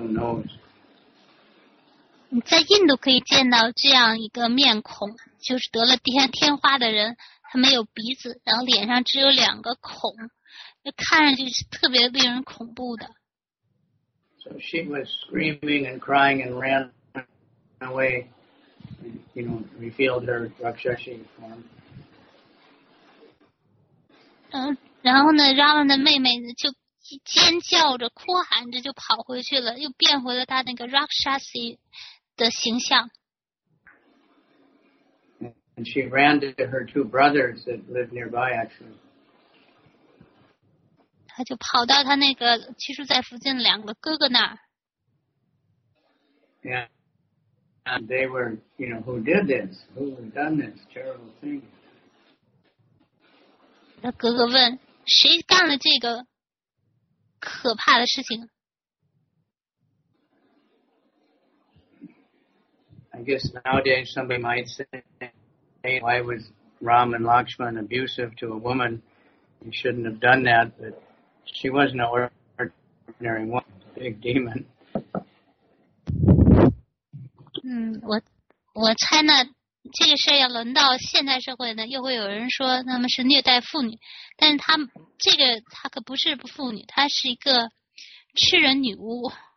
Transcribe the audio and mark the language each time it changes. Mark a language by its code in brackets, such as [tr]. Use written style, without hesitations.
[en] no [zh] 在印度可以见到这样一个面孔，就是得了天花的人，他没有鼻子，然后脸上只有两个孔，就看上去是特别令人恐怖的。 [en] So she was screaming and crying and ran away, and, you know, revealed her Rakshasi form. [zh] 然后呢 Ravan 的妹妹呢就尖叫着哭喊着就跑回去了，又变回了她那个 Rakshasi 的形象。 [en] And she ran to her two brothers that lived nearby, actually. [zh] 她就跑到她那个居住在附近的两个哥哥那儿。 [en] Yeah. And they were, you know, who did this? Who had done this terrible thing? [zh] 他哥哥问谁干了这个可怕的事情。 [en] I guess nowadays somebody might say, why was Ram and Lakshman abusive to a woman? He shouldn't have done that, but she wasn't an ordinary woman, big demon. [zh] 我猜呢这个事要轮到现代社会呢，又会有人说他们是虐待妇女，但是他可不是妇女，他是一个吃人女巫。